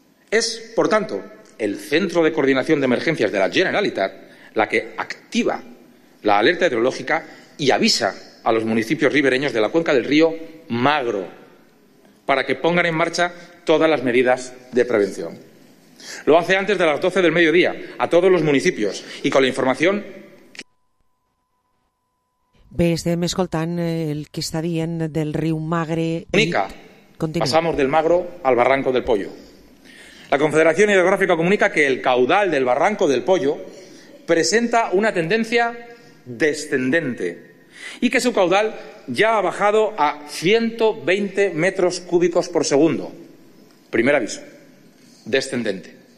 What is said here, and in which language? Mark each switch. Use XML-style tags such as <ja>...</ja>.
<es>Es, por tanto, el Centro de Coordinación de Emergencias de la Generalitat la que activa la alerta hidrológica y avisa a los municipios ribereños de la cuenca del río Magro para que pongan en marcha todas las medidas de prevención. Lo hace antes de las 12 del mediodía a todos los municipios y con la información.</es> <ca>Bé, estem escoltant el que està dient del riu Magre.</ca> <es>Comunica. Pasamos del Magro al Barranco del Pollo. La Confederación Hidrográfica comunica que el caudal del Barranco del Pollo presenta una tendencia descendente y que su caudal ya ha bajado a 120 metros cúbicos por segundo. Primer aviso. Descendente.</es>